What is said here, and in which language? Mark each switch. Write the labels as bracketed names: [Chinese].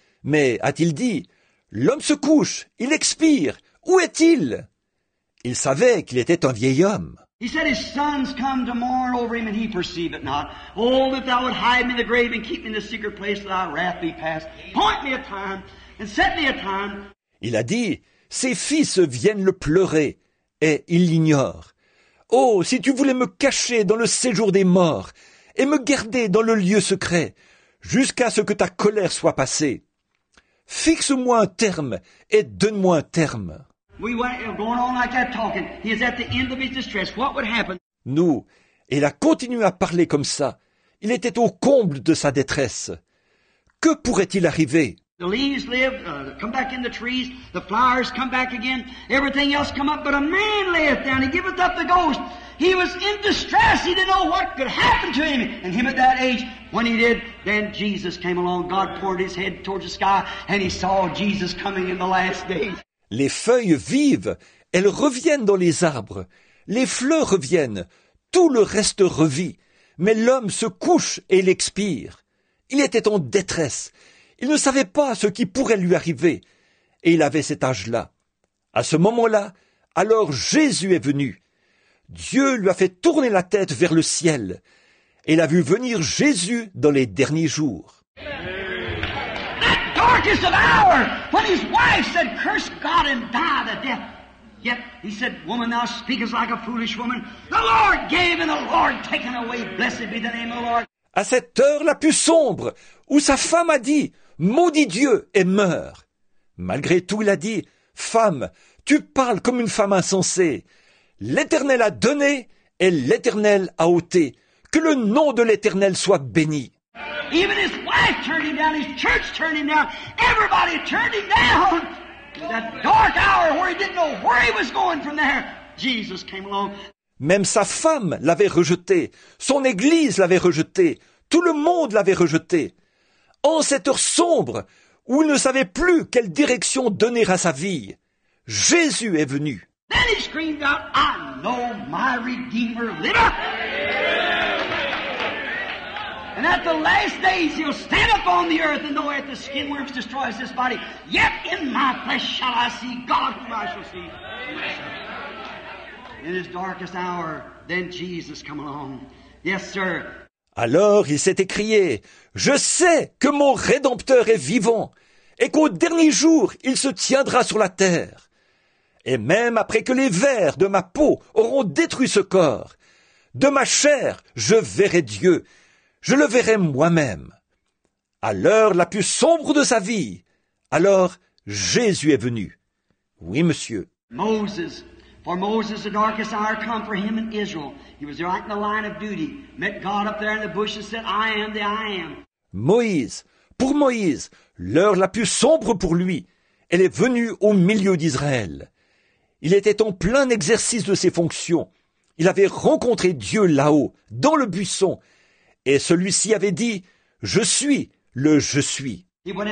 [French] Mais a-t-il dit, « L'homme se couche, il expire, où est-il ?» Il savait qu'il était un vieil homme. [English] He said, "His sons come to mourn over him, and he perceive it not. Oh, that thou would hide me in the grave and keep me in the secret place, that thy wrath be past. Point me a time and set me a time." [French] Il a dit, ses fils viennent le pleurer, et il l'ignore. Oh, si tu voulais me cacher dans le séjour des morts et me garder dans le lieu secret, jusqu'à ce que ta colère soit passée, fixe-moi un terme et donne-moi un terme. [English] We went going on like that talking. He is at the end of his distress. What would happen? [French] Nous, il a continué à parler comme ça. Il était au comble de sa détresse. Que pourrait-il arriver? [English] The leaves live, come back in the trees. The flowers come back again. Everything else come up, but a man layeth down. He giveth up the ghost. He was in distress. He didn't know what could happen to him. And him at that age, when he did, then Jesus came along. God poured his head towards the sky, and he saw Jesus coming in the last days. [French] Les feuilles vivent, elles reviennent dans les arbres, les fleurs reviennent, tout le reste revit, mais l'homme se couche et l'expire. Il était en détresse, il ne savait pas ce qui pourrait lui arriver, et il avait cet âge-là. À ce moment-là, alors Jésus est venu. Dieu lui a fait tourner la tête vers le ciel, et il a vu venir Jésus dans les derniers jours. [English] Darkest of hour, when his wife said, "Curse God and die to death." Yet he said, "Woman, thou speakest like a foolish woman. The Lord gave and the Lord taken away. Blessed be the name of the Lord." [French] À cette heure la plus sombre, où sa femme a dit, "Maudit Dieu et meurt." Malgré tout, il a dit, "Femme, tu parles comme une femme insensée. L'Éternel a donné et l'Éternel a ôté. Que le nom de l'Éternel soit béni." [English] Even his wife turned him down, his church turned him down, everybody turned him down. That dark hour where he didn't know where he was going from there, Jesus came along. [French] Même sa femme l'avait rejeté, son église l'avait rejeté, tout le monde l'avait rejeté. En cette heure sombre, où il ne savait plus quelle direction donner à sa vie, Jésus est venu. [English] Then he screamed out, "I know my Redeemer liveth." And at the last days he'll stand up on the earth, and though at the skin worms destroys this body, yet in my flesh shall I see God, whom I shall see. In his darkest hour, then Jesus come along. Yes, sir. [French] Alors il s'est écrié, "Je sais que mon Rédempteur est vivant, et qu'au dernier jour il se tiendra sur la terre. Et même après que les vers de ma peau auront détruit ce corps, de ma chair, je verrai Dieu, je le verrai moi-même. À l'heure la plus sombre de sa vie, alors Jésus est venu. Oui, monsieur. [English] Moses, for Moses the darkest hour come for him in Israel. He was right in the line of duty, met God up there in the bush and said, I am the I am. [French] Moïse, pour Moïse, l'heure la plus sombre pour lui, elle est venue au milieu d'Israël. Il était en plein exercice de ses fonctions. Il avait rencontré Dieu là-haut, dans le buisson. Et celui-ci avait dit, « Je suis le Je suis ».